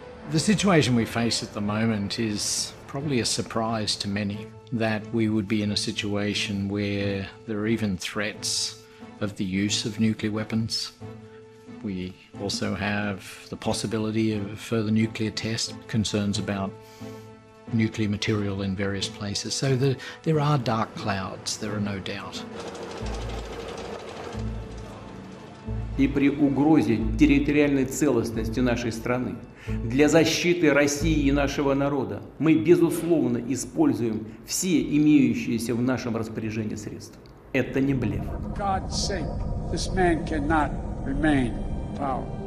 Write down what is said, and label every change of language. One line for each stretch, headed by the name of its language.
English: The situation we face at the moment is probably a surprise to many, that we would be in a situation where there are even threats of the use of nuclear weapons. We also have the possibility of further nuclear tests, concerns about nuclear material in various places. So there are dark clouds, there are no doubt.
Russian: И при угрозе территориальной целостности нашей страны для защиты России и нашего народа мы безусловно используем все имеющиеся в нашем распоряжении средства. Это не блеф.
English: God's sake, this man cannot remain in power.